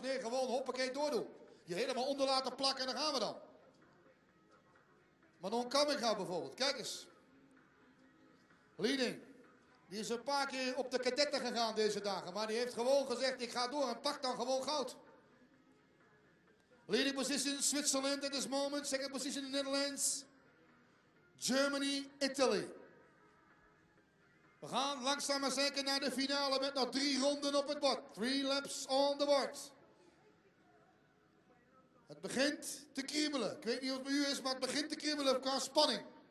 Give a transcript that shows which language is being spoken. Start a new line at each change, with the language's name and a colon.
Dutch: Nee, gewoon hoppakee doordoen. Je helemaal onder laten plakken en dan gaan we dan. Manon Kamminga bijvoorbeeld. Kijk eens. Leading. Die is een paar keer op de kadetten gegaan deze dagen. Maar die heeft gewoon gezegd, ik ga door en pak dan gewoon goud.
English: Leading position in Switzerland at this moment. Second position in the Netherlands. Germany, Italy.
Dutch: We gaan langzaam maar zeker naar de finale met nog 3 ronden op het bord.
English: 3 laps on the board.
Dutch: Het begint te kriebelen. Ik weet niet of het bij u is, maar het begint te kriebelen qua spanning.